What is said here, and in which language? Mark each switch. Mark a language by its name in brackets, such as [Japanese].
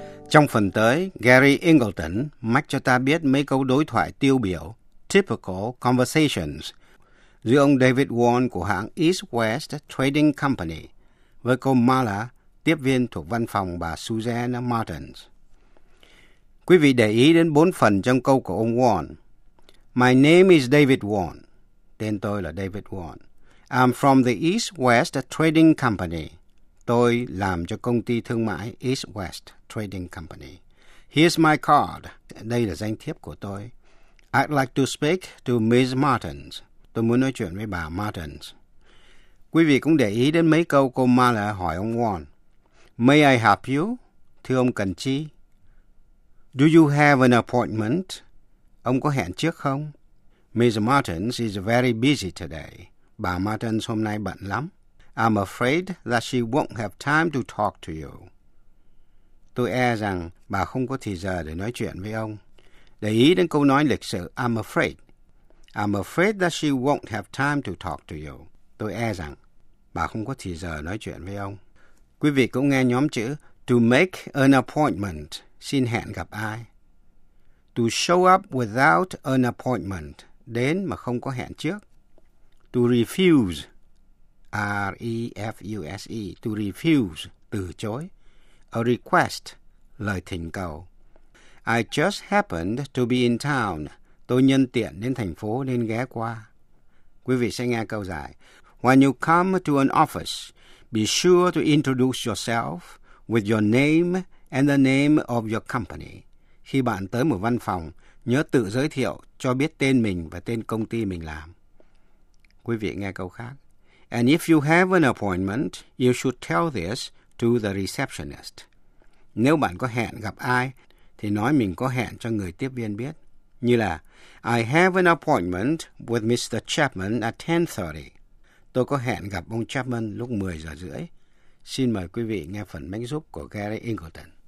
[Vietnamese] Trong phần tới, Gary Ingleton mách cho ta biết mấy câu đối thoại tiêu biểu, [English] typical conversations, [Vietnamese] giữa ông David Wong của hãng East West Trading Company với cô Mala, tiếp viên thuộc văn phòng bà Suzanne Martins. Quý vị để ý đến bốn phần trong câu của ông Wong. [English] My name is David Wong. [Vietnamese] Tên tôi là David Wong. [English] I'm from the East West Trading Company. [Vietnamese] Tôi làm cho công ty thương mại East West Trading Company. [English] Here's my card. [Vietnamese] Đây là danh thiếp của tôi. [English] I'd like to speak to Ms. Martins. [Vietnamese] Tôi muốn nói chuyện với bà Martins. Quý vị cũng để ý đến mấy câu cô Mala hỏi ông Wong. [English] May I help you? [Vietnamese] Thưa ông cần chi? [English] Do you have an appointment? [Vietnamese] Ông có hẹn trước không? [English] Ms. Martins is very busy today. [Vietnamese] Bà Martins hôm nay bận lắm. [English] I'm afraid that she won't have time to talk to you. [Vietnamese] Tôi e rằng bà không có thời giờ để nói chuyện với ông. Để ý đến câu nói lịch sự, [English] I'm afraid. I'm afraid that she won't have time to talk to you. [Vietnamese] Tôi e rằng bà không có thời giờ nói chuyện với ông. Quý vị cũng nghe nhóm chữ [English] to make an appointment, [Vietnamese] xin hẹn gặp ai. [English] To show up without an appointment, [Vietnamese] đến mà không có hẹn trước. [English] To refuse, R-E-F-U-S-E, to refuse, [Vietnamese] từ chối. [English] A request, [Vietnamese] lời thỉnh cầu. [English] I just happened to be in town. [Vietnamese] Tôi nhân tiện đến thành phố nên ghé qua. Quý vị sẽ nghe câu dài. [English] When you come to an office, be sure to introduce yourself with your name and the name of your company. [Vietnamese] Khi bạn tới một văn phòng, nhớ tự giới thiệu, cho biết tên mình và tên công ty mình làm. Quý vị nghe câu khác. [English] And if you have an appointment, you should tell this to the receptionist. [Vietnamese] Nếu bạn có hẹn gặp ai, thì nói mình có hẹn cho người tiếp viên biết. Như là, [English] I have an appointment with Mr. Chapman at 10:30. [Vietnamese] Tôi có hẹn gặp ông Chapman lúc 10:30. Xin mời quý vị nghe phần mánh giúp của Gary Ingleton.